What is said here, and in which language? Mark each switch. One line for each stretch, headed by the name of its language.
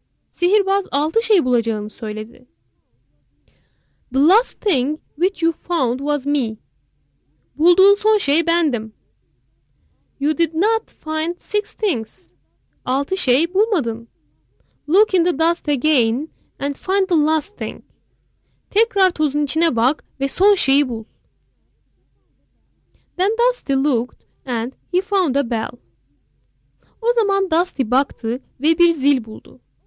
Turkish: Sihirbaz altı şey bulacağını söyledi.
English: The last thing which you found was me.
Turkish: Bulduğun son şey bendim.
English: You did not find six things.
Turkish: Altı şey bulmadın.
English: Look in the dust again and find the last thing.
Turkish: Tekrar tozun içine bak ve son şeyi bul.
English: Then Dusty looked and he found a bell.
Turkish: O zaman Dusty baktı ve bir zil buldu.